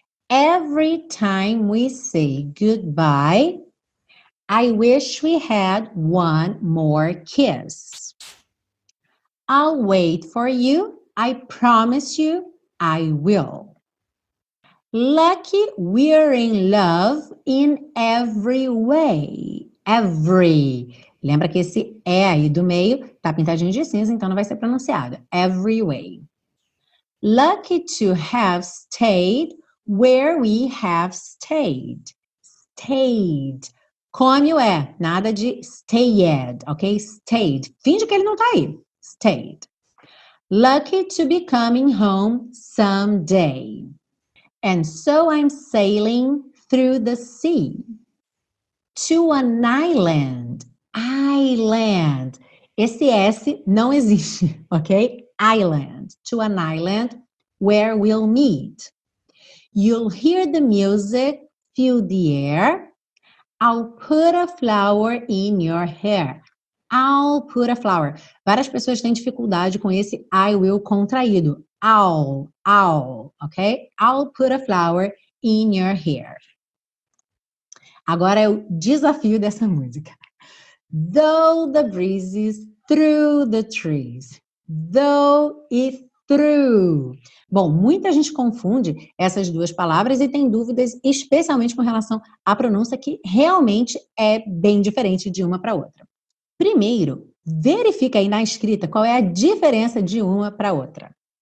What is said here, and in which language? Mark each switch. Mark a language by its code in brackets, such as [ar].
[en] Every time we say goodbye, I wish we had one more kiss. I'll wait for you. I promise you, I will. Lucky we're in love in every way. Every. [pt] Lembra que esse E aí do meio tá pintadinho de cinza, então não vai ser pronunciado. [en] Every way. Lucky to have stayed where we have stayed. [pt] Stayed. Come you é, nada de stayed, ok? Stayed. Finge que ele não tá aí. Stayed. [en] Lucky to be coming home someday. And so I'm sailing through the sea to an island. [pt] Island. Esse S não existe, ok? Island. [en] To an island where we'll meet. You'll hear the music, feel the air. I'll put a flower in your hair. I'll put a flower. [pt] Várias pessoas têm dificuldade com esse I will contraído. [en] I'll, ok? I'll put a flower in your hair. [pt] Agora é o desafio dessa música. [en] Though the breezes through the trees. Though e through. [pt] Bom, muita gente confunde essas duas palavras e tem dúvidas, especialmente com relação à pronúncia, que realmente é bem diferente de uma para outra. Primeiro, verifica aí na escrita qual é a diferença de uma para outra.